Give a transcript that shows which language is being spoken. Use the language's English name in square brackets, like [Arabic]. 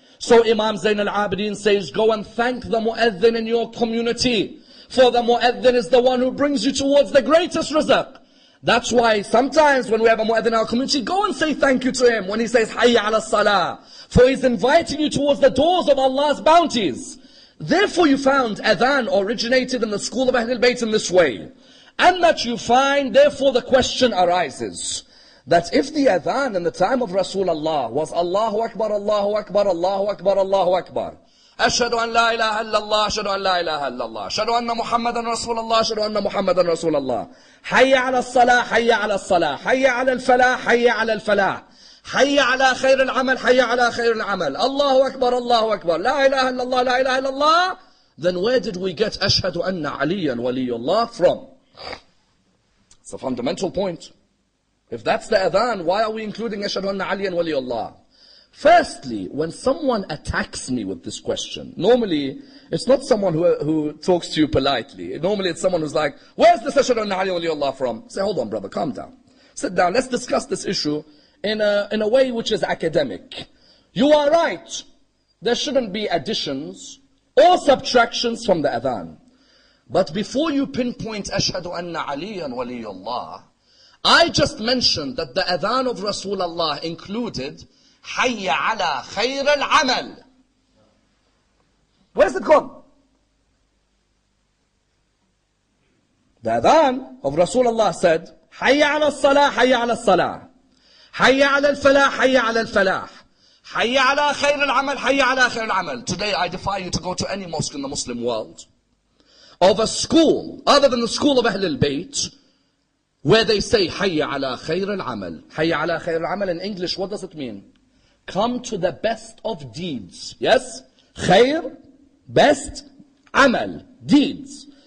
[English] So Imam Zain al-Abidin says, go and thank the muaddin in your community, for the muaddin is the one who brings you towards the greatest rizq. That's why sometimes when we have a muaddin in our community, go and say thank you to him when he says, "Hayya ala salah," for he's inviting you towards the doors of Allah's bounties. Therefore you found adhan originated in the school of Ahlul Bayt in this way. And that you find, therefore the question arises, that if the adhan in the time of Rasulullah was Allahu Akbar, Allahu Akbar, Allahu Akbar, Allahu Akbar, [Arabic] أشهد أن لا إله إلا الله أشهد أن لا إله إلا الله أشهد أن محمدا رسول الله أشهد أن محمدا رسول الله حي على الصلاة حي على الصلاة حي على الفلاح حي على الفلاح حي على خير العمل حي على خير العمل الله أكبر الله أكبر لا إله إلا الله لا إله إلا الله [English] Then where did we get [Arabic] أشهد أن عليا ولي الله from? [English] It's a fundamental point. If that's the adhan, why are we including [Arabic] أشهد أن عليا ولي الله? [English] Firstly, when someone attacks me with this question, normally it's not someone who talks to you politely. Normally it's someone who's like, where's the Ashhadu anna Ali waliyullah from? Say, hold on brother, calm down. Sit down, let's discuss this issue in a way which is academic. You are right. There shouldn't be additions or subtractions from the adhan. But before you pinpoint Ashhadu anna Ali waliyullah, I just mentioned that the adhan of Rasulullah included [Arabic] حي على خير العمل. [English] Where's it gone? The adhan of Rasulullah said, [Arabic] حي على الصلاة حي على الصلاة حي على الفلاح حي على الفلاح حي على خير العمل حي على خير العمل. [English] Today I defy you to go to any mosque in the Muslim world of a school other than the school of Ahlul Bayt where they say [Arabic] حي على خير العمل. حي على خير العمل [English] in English, what does it mean? Come to the best of deeds. Yes? Khair, best, amal, deeds.